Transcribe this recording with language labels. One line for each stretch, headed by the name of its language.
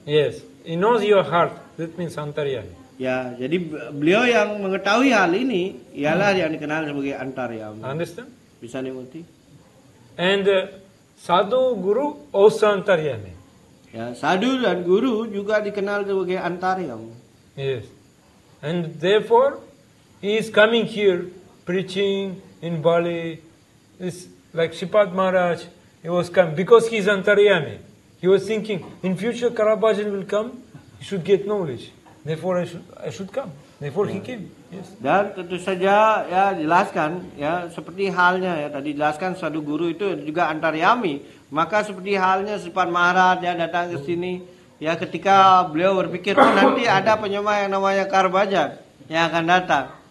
English: Yes, he knows your heart. That means Antaryami.
Indonesian: Ya, jadi beliau yang mengetahui hal ini ialah yang dikenal sebagai Antaryami.
English: Understand?
Indonesian: Bisa dimengerti?
English: And sadhu guru also Antaryami.
Indonesian: Ya, sadhu dan guru juga dikenal sebagai Antaryami.
English: Yes, and therefore he is coming here preaching in Bali. This like Sripad Maharaj, he was come because he is Antaryami. He was thinking, in future Karabajan will come, he should get knowledge. Therefore, I should come. Therefore he came. Yes.
Indonesian: Dan tentu saja ya jelaskan ya seperti halnya ya tadi jelaskan satu guru itu juga antaryami, maka seperti halnya Sipan Maharaj ya datang ke sini ya ketika beliau berpikir oh, nanti ada penyembah yang namanya Karbajan yang akan datang.